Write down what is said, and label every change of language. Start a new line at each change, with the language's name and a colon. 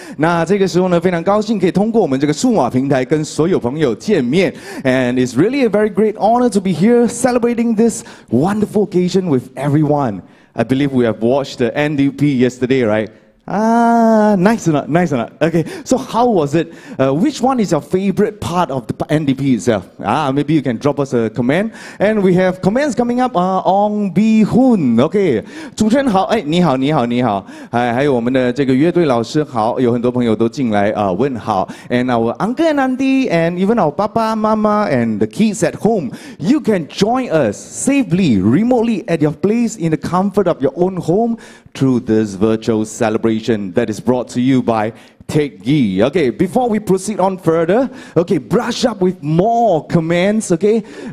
Chinese: 那这个时候呢，非常高兴可以通过我们这个数码平台跟所有朋友见面。
English: And it's really a very great honor to be here celebrating this wonderful occasion with everyone. I believe we have watched the NDP yesterday, right? Nice or not? Okay, so how was it? Which one is your favorite part of the NDP itself? Maybe you can drop us a comment. And we have comments coming up.
Chinese: Ong Bi Hoon, okay. 主持人好，哎，你好。还有我们的这个乐队老师好，有很多朋友都进来问好。
English: And our uncle and auntie, and even our papa, mama, and the kids at home, you can join us safely, remotely at your place in the comfort of your own home through this virtual celebration. That is brought to you by Teck Ghee. Okay, before we proceed on further, okay, brush up with more comments, okay?